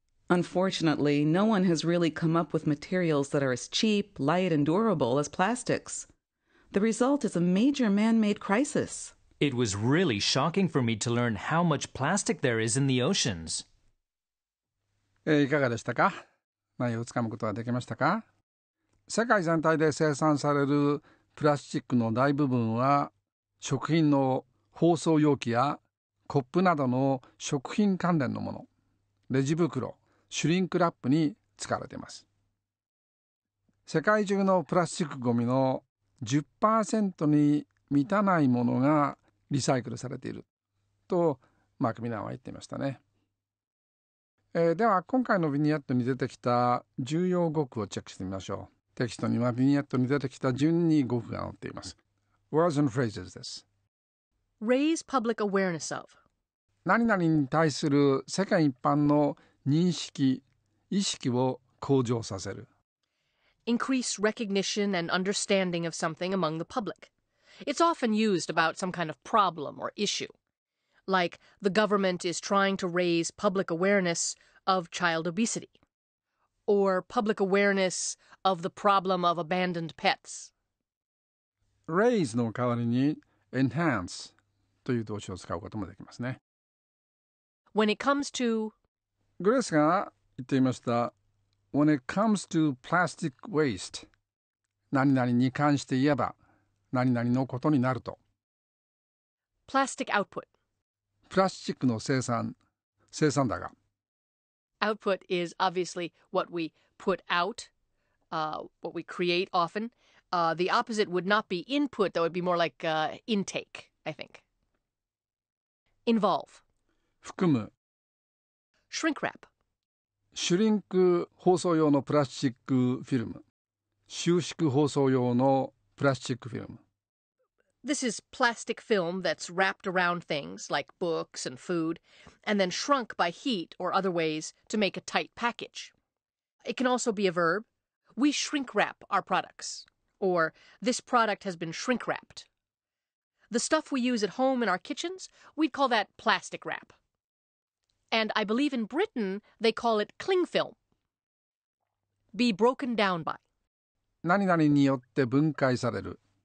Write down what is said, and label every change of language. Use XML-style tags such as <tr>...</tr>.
<en>Unfortunately, no one has really come up with materials that are as cheap, light, and durable as plastics. The result is a major man-made crisis. It was really shocking for me to learn how much plastic there is in the oceans.</en> <ja>いかがでしたか？内容をつかむことはできましたか？世界全体で生産されるプラスチックの大部分は食品の包装容器やコップなどの食品関連のもの、レジ袋、シュリンクラップに使われています。世界中のプラスチックごみの 10% に満たないものがリサイクルされていると、マクミナンは言っていましたね。では今回のビニエットに出てきた重要語句をチェックしてみましょう。テキストにはビニエットに出てきた順に語句が載っています。</ja> <en>Words and phrases です。 Raise public awareness of</en> <ja>何々に対する世界一般の認識、意識を向上させる。</ja> <en>Increase recognition and understanding of something among the public. It's often used about some kind of problem or issue. Like, the government is trying to raise public awareness of child obesity. Or public awareness of the problem of abandoned pets.</en> <ja>Raise の代わりに enhance という動詞を使うこともできますね。</ja> <en>When it comes to...</en> <ja>グレースが言っていました。</ja> <en>When it comes to plastic waste,</en> <ja>何々に関して言えば、何々のことになると。</ja> <en>Plastic output.</en> <ja>プラスチックの生産、生産だが。</ja> <en>output is obviously what we put out, what we create often. The opposite would not be input, that would be more like intake, I think. Involve.</en> <ja>含む.</ja> <en>Shrink wrap.</en> <ja>シュリンク包装用のプラスチックフィルム。収縮包装用のプラスチックフィルム。</ja> <en>This is plastic film that's wrapped around things like books and food, and then shrunk by heat or other ways to make a tight package. It can also be a verb. We shrink wrap our products. Or this product has been shrink wrapped. The stuff we use at home in our kitchens, we'd call that plastic wrap. And I believe in Britain, they call it cling film. Be broken down by.</en> <ja>何々によって分解される。</ja>